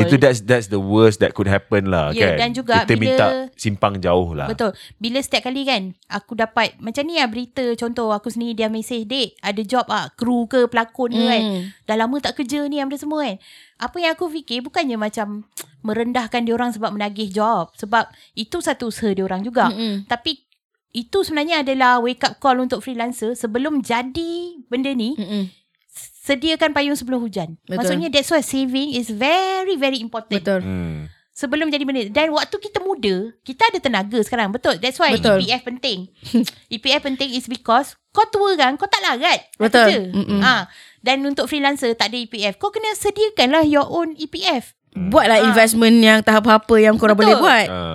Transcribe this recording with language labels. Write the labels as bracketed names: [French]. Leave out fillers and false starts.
[English] Itu that's the worst that could happen lah, yeah, kan. [Malay] Dan juga kita bila, minta simpang jauh lah. Betul. Bila setiap kali kan aku dapat macam ni lah berita, contoh aku sendiri dia mesej, dek ada job ah, kru ke pelakon ke kan, dah lama tak kerja ni apa semua kan. Apa yang aku fikir, bukannya macam merendahkan diorang sebab menagih job, sebab itu satu usaha diorang juga. Tapi itu sebenarnya adalah [English] wake up call [Malay] untuk freelancer. Sebelum jadi benda ni, sediakan payung sebelum hujan. Betul. [English] Maksudnya that's why saving is very very important. [Malay] Betul. Sebelum jadi benda. Dan waktu kita muda, kita ada tenaga sekarang. [English] Betul. That's why [Malay] betul. EPF penting. EPF penting [English] is because [Malay] kau tua kan, kau tak larat. Betul. Dan untuk freelancer tak ada EPF, kau kena sediakanlah [English] your own EPF. [Malay] Buatlah investment yang tahap apa yang korang boleh buat.